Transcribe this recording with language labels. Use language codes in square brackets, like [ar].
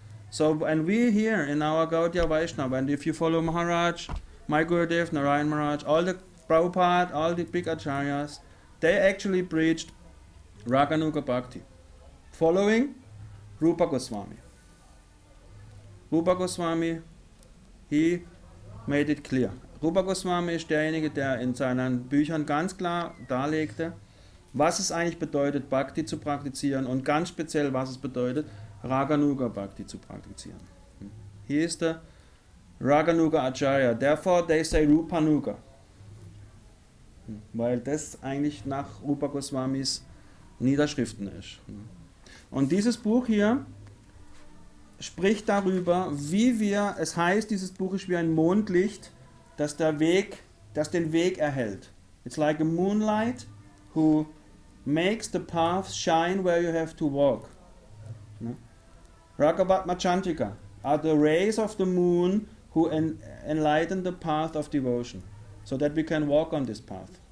[en] So, and we here in our Gaudiya Vaishnava, and if you follow Maharaj, my Gurudev, Narayan Maharaj, all the Prabhupada, all the big acharyas, they actually preached Raganuga Bhakti, following Rupa Goswami. Rupa Goswami, he made it clear. [de] Rupa Goswami ist derjenige, der in seinen Büchern ganz klar darlegte, was es eigentlich bedeutet, Bhakti zu praktizieren und ganz speziell, was es bedeutet, Raganuga Bhakti zu praktizieren. [en] He is the Raganuga Acharya, therefore they say Rupanuga. [de] Weil das eigentlich nach Rupa Goswamis Niederschriften ist. Und dieses Buch hier spricht darüber, wie wir, es heißt, dieses Buch ist wie ein Mondlicht, das der Weg, das den Weg erhält. [en] It's like a moonlight who makes the path shine where you have to walk. Raghavatma Chantika are the rays of the moon who enlighten the path of devotion so that we can walk on this path.